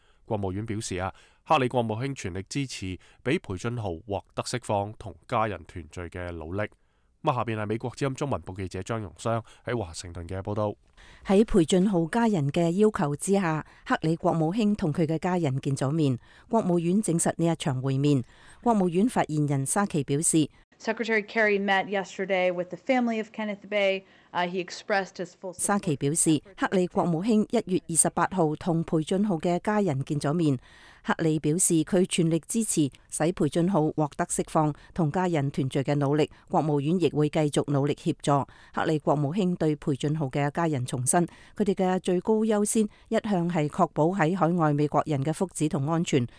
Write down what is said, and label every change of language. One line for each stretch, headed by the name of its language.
Chinese: 国务院表示，克里国务卿全力支持被裴俊豪获得释放和家人团聚的努力。下面是美国之音中文部记者张容湘在华盛顿的报道。在裴俊豪家人的要求之下，克里国务卿和他的家人见了面，国务院证实这一场会面。国务院发言人沙奇表示，
English: Secretary Kerry met yesterday with the family of Kenneth Bay. He expressed his full support.
Chinese: 沙奇表示，克里国务卿1月28号和裴俊豪的家人见了面。克里表示他全力支持使裴俊豪获得释放和家人团聚的努力，国务院亦会继续努力协助。克里国务卿对裴俊豪的家人重申，他们的最高优先一向是确保在海外美国人的福祉和安全。